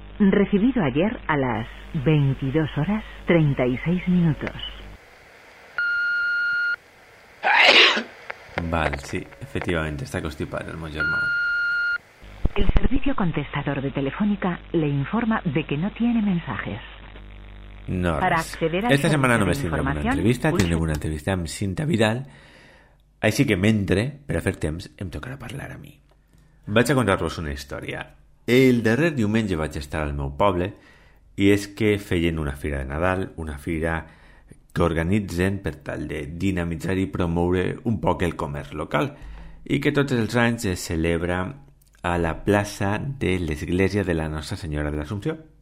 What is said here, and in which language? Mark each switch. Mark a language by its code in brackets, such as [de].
[es] Recibido ayer a las 22 horas 36 minutos. [ca] Val, sí, efectivament, està constipat el meu germà. [es] El servicio contestador de Telefónica le informa de que no tiene mensajes. [ca] No, esta setmana només tindrem una entrevista, tindrem una entrevista amb Cinta Vidal, així que mentre, per a fer temps, em tocarà parlar a mi. Vaig a contar-vos una història. El darrer diumenge vaig estar al meu poble i és que feien una fira de Nadal, una fira que organitzen per tal de dinamitzar i promoure un poc el comerç local i que tots els anys es celebra a la plaça de l'Església de la Nostra Senyora de l'Assumpció.